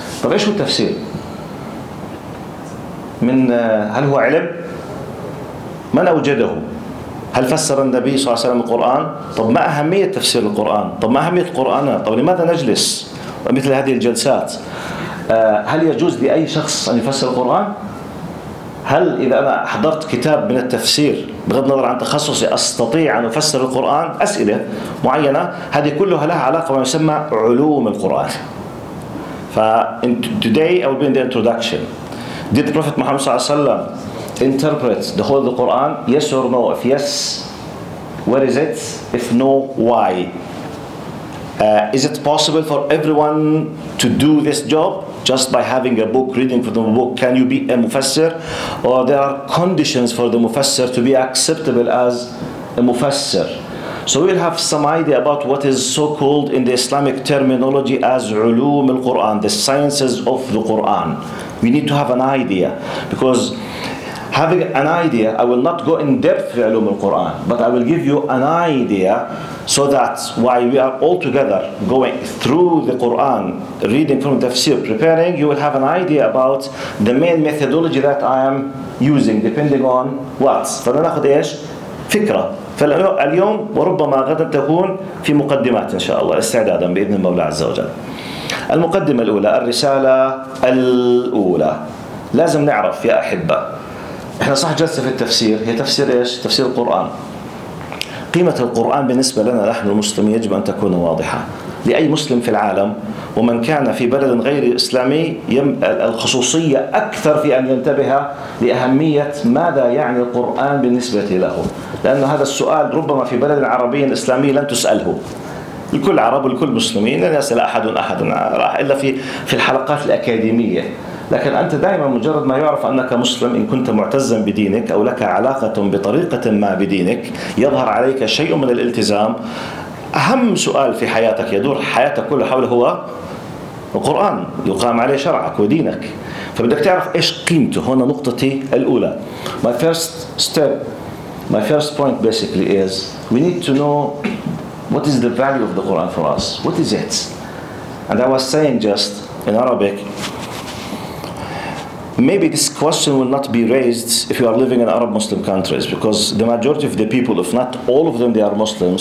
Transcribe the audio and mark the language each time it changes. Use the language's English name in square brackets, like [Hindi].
[Arabic] طب إيش هو التفسير؟ من هل هو علم؟ من أوجده؟ هل فسر النبي صلى الله عليه وسلم القرآن؟ طب ما أهمية تفسير القرآن؟ طب ما أهمية القرآن؟ طب لماذا نجلس مثل هذه الجلسات؟ هل يجوز لأي شخص أن يفسر القرآن؟ هل إذا أنا حضرت كتاب من التفسير بغض النظر عن تخصصي أستطيع أن أفسر القرآن؟ أسئلة معينة، هذه كلها لها علاقة بما يسمى علوم القرآن. [English] Today I will be in the introduction. Did the Prophet Muhammad [Arabic] صلى الله عليه وسلم [English] interpret the whole of the Quran? Yes or no? If yes, where is it? If no, why? Is it possible for everyone to do this job just by having a book, reading from the book? Can you be a mufassir? Or there are conditions for the mufassir to be acceptable as a mufassir? So we'll have some idea about what is so-called in the Islamic terminology as ulum al-Qur'an, the sciences of the Qur'an. We need to have an idea, because having an idea, I will not go in depth with ulum al-Qur'an, but I will give you an idea. So that's why we are all together going through the Quran, reading from tafsir, preparing, you will have an idea about the main methodology that I am using, depending on what. [Arabic] فلنأخذ إيش؟ فكرة. فاليوم وربما غدا تكون في مقدمات إن شاء الله، استعدادا بإذن المولى عز وجل. المقدمة الأولى، الرسالة الأولى. لازم نعرف يا أحبة، إحنا صح جلسة في التفسير، هي تفسير إيش؟ تفسير القرآن. قيمة القرآن بالنسبة لنا نحن المسلمين يجب أن تكون واضحة لأي مسلم في العالم، ومن كان في بلد غير إسلامي الخصوصية أكثر في أن ينتبه لأهمية ماذا يعني القرآن بالنسبة له، لأن هذا السؤال ربما في بلد عربي إسلامي لن تسأله. لكل عرب ولكل مسلمين لن يسأل أحد راح إلا في الحلقات الأكاديمية، لكن أنت دائما مجرد ما يعرف أنك مسلم، إن كنت معتزا بدينك أو لك علاقة بطريقة ما بدينك، يظهر عليك شيء من الالتزام أهم سؤال في حياتك يدور حياتك كلها حوله هو القرآن، يقام عليه شرعك ودينك. فبدك تعرف إيش قيمته. هنا نقطتي الأولى. [English] My first step, my first point basically is we need to know what is the value of the Quran for us. What is it? And I was saying just in Arabic, maybe this question will not be raised if you are living in Arab Muslim countries, because the majority of the people, if not all of them, they are Muslims.